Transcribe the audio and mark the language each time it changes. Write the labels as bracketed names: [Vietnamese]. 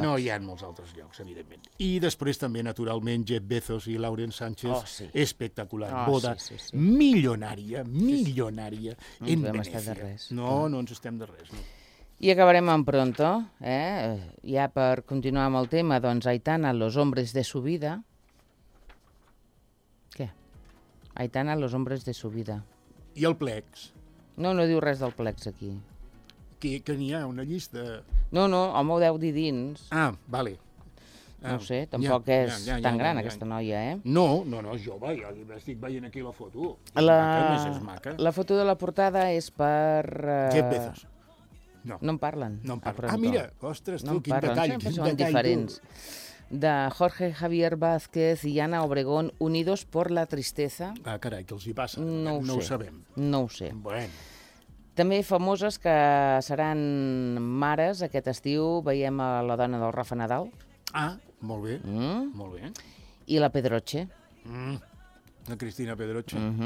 [Catalan] No, hi ha molts altres llocs, evidentment. I després també, naturalment, Jeff Bezos i Lauren Sánchez. Oh, sí. Espectacular. Oh, boda sí. Milionària. Sí, sí. No ens estem de res. No ens estem de res. No. I acabarem en pronto, eh? Ja per continuar amb el tema, doncs, Aitana, [Spanish] los hombres de su vida. [Catalan] Què? [Spanish] Aitana, los hombres de su vida. [Catalan] I el Plex. No diu res del Plex, aquí. Que n'hi ha una llista... No, home, ho deu dir dins. Ah, vale. No sé, tampoc és tan gran, aquesta noia, eh? No, és jove, ja estic veient aquí la foto. És maca. La foto de la portada és per... Jeff Bezos. No en parlen. Ah, mira, ostres, tu, no quin parlen. Detall. Sempre són diferents. De Jorge Javier Vázquez i Ana Obregón, [Spanish] Unidos por la Tristeza. [Catalan] Ah, carai, què els hi passa? No ho sabem. No ho sé. Bueno. També famoses que seran mares aquest estiu. Veiem a la dona del Rafa Nadal. Ah, molt bé. Mm. Molt bé. I la Pedroche. La Cristina Pedroche.